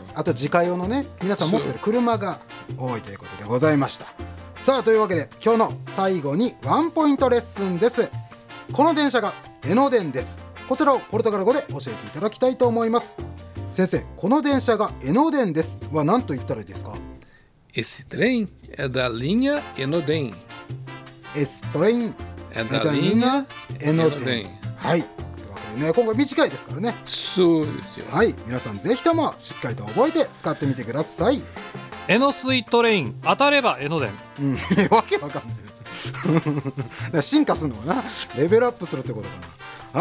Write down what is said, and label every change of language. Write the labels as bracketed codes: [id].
[ja] あと自家用のね、皆さん持ってる車が多いということでございました。さあ、というわけで今日の最後にワンポイントレッスンです。この電車が江ノ電です。こちらをポルトガル語で教えていただきたいと思います。先生、この電車が江ノ電ですは何と言ったらいいですか。 [pt] Esse trem é da linha Enoden. Esse trem é da linha Enoden. [ja] はい、というわけでね、今回短いですからね。そうですよ。はい、皆さんぜひともしっかりと覚えて使ってみてください。江ノスイートレイン、当たれば江ノ電。わけわかんない進化するのかな、レベルアップするってことかな。